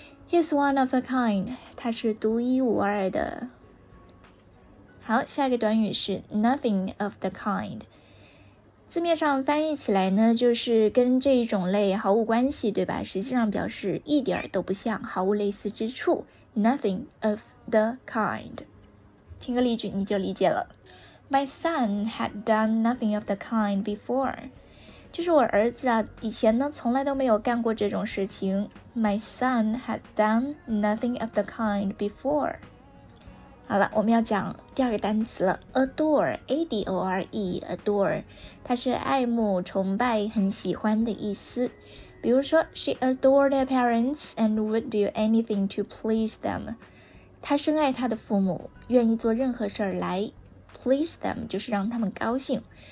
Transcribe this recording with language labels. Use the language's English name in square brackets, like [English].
[English] He's one of a kind， [Chinese] 他是独一无二的。好，下一个短语是 [English] nothing of the kind。 [Chinese] 字面上翻译起来呢，就是跟这一种类毫无关系，对吧？实际上表示一点都不像，毫无类似之处。 [English] Nothing of the kind。 [Chinese] 听个例句你就理解了。 [English] My son had done nothing of the kind before。 [Chinese] 就是我儿子啊，以前呢从来都没有干过这种事情。 [English] My son had done nothing of the kind before。 [Chinese] 好了，我们要讲第二个单词了， adore， A-D-O-R-E， adore， 它是爱慕、崇拜、很喜欢的意思。比如说 [English] She adored her parents and would do anything to please them， [Chinese] 她深爱她的父母，愿意做任何事来 [English] please them， [Chinese] 就是让他们高兴。